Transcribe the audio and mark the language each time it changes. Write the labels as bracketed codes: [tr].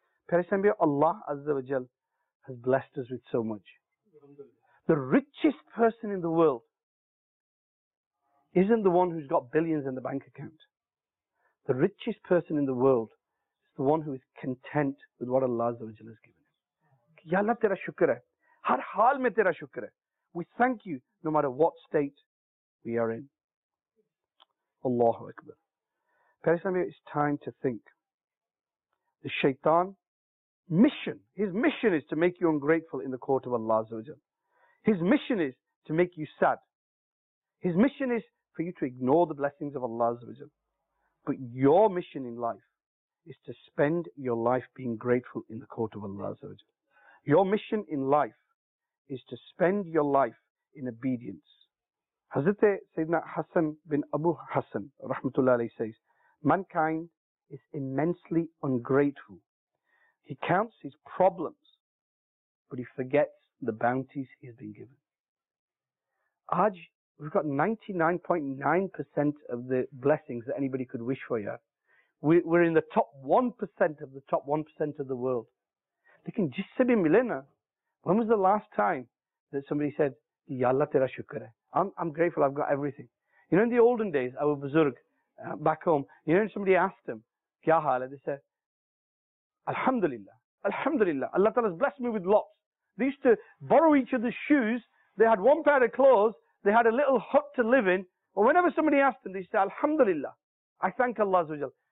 [en] Allah Azza wa Jal has blessed us with so much. The richest person in the world isn't the one who's got billions in the bank account. The richest person in the world is the one who is content with what Allah Azza wa Jal has given him. [ur] یا اللہ, تیرا شکر ہے. ہر حال میں تیرا شکر ہے. [en] We thank you no matter what state we are in. Allahu Akbar. It's time to think. The shaitan, His mission is to make you ungrateful in the court of Allah Azza wa Jal. His mission is to make you sad. His mission is for you to ignore the blessings of Allah Azza wa Jal. But your mission in life is to spend your life being grateful in the court of Allah Azza wa Jal. Your mission in life is to spend your life in obedience. Hazrat Sayyidina Hassan bin Abu Hassan, rahmatullah alayhi, says, mankind is immensely ungrateful. He counts his problems, but he forgets the bounties he has been given. Aaj, we've got 99.9% of the blessings that anybody could wish for you. We're in the top 1% of the top 1% of the world. [ur] لیکن جس سے بھی ملے نا, [en] when was the last time that somebody said, [ur] یا اللہ تیرا شکر ہے. [en] I'm grateful, I've got everything. You know, in the olden days, our buzurg, back home, you know, somebody asked him, [ur] Kya haal hai? [en] They said, Alhamdulillah, Allah Ta'ala has blessed me with lots. They used to borrow each other's shoes. They had one pair of clothes. They had a little hut to live in. But whenever somebody asked them, they said, Alhamdulillah, I thank Allah Azza wa Jal.